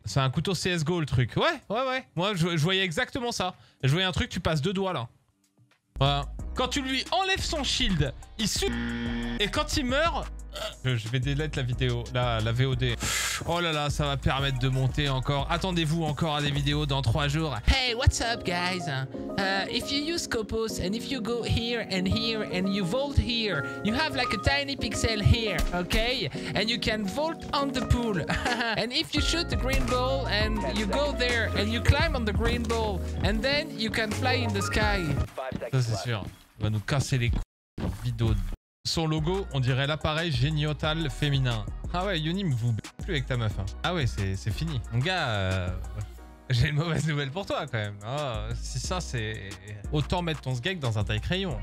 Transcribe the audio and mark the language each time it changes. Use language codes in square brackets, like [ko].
[fr] C'est un couteau CSGO le truc. Ouais, ouais, ouais. Moi, je voyais exactement ça. Je voyais un truc, tu passes deux doigts là. Voilà. Quand tu lui enlèves son shield, il suit. Et quand il meurt... Je vais délaître la vidéo, la VOD. Oh là là, ça va permettre de monter encore. Attendez-vous encore à des vidéos dans 3 jours. [en] Hey, what's up, guys? If you use Scopus and if you go here and here and you vault here, you have like a tiny pixel here, okay? And you can vault on the pool. And if you shoot the green ball and you go there and you climb on the green ball and then you can fly in the sky. [fr] Ça, c'est sûr. On va nous casser les couilles. Vidéo de... Son logo, on dirait l'appareil géniotal féminin. Ah ouais, Yonim, vous b**ez plus avec ta meuf. Hein. Ah ouais, c'est fini. Mon gars, j'ai une mauvaise nouvelle pour toi quand même. Oh, si ça, c'est... Autant mettre ton sgeg dans un taille-crayon.